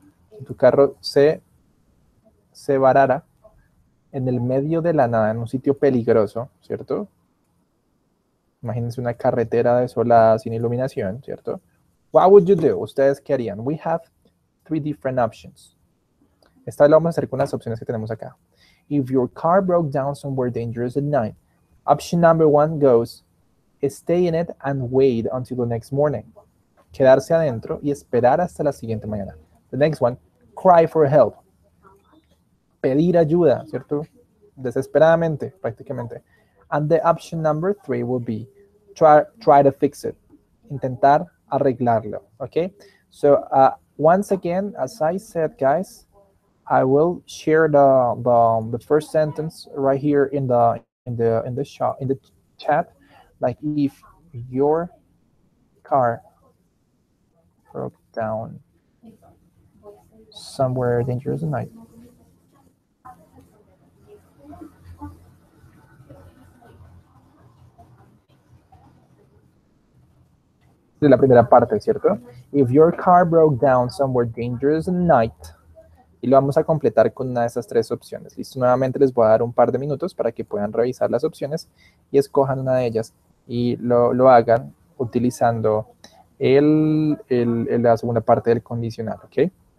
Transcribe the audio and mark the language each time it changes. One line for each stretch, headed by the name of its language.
Spanish: Si tu carro se varara en el medio de la nada, en un sitio peligroso, ¿cierto? Imagínense una carretera desolada sin iluminación, ¿cierto? What would you do? ¿Ustedes qué harían?
English: We have three different options.
Spanish: Esta la vamos a hacer con las opciones que tenemos acá.
English: If your car broke down somewhere dangerous at night, option number one goes, stay in it and wait until the next morning.
Spanish: Quedarse adentro y esperar hasta la siguiente mañana.
English: The next one, cry for help. Pedir ayuda, ¿cierto?
Spanish: Desesperadamente, prácticamente.
English: And the option number three will be, try to fix it. Intentar arreglarlo, okay? So, once again, as I said, guys, I will share the first sentence right here in the shop, in the chat. Like, if your car broke down somewhere dangerous at night. De la primera parte, ¿cierto? If your car broke down somewhere dangerous at night.
Spanish: Y lo vamos a completar con una de esas tres opciones. Listo, nuevamente les voy a dar un par de minutos para que puedan revisar las opciones y escojan una de ellas y lo hagan utilizando la segunda parte del condicional, ¿ok?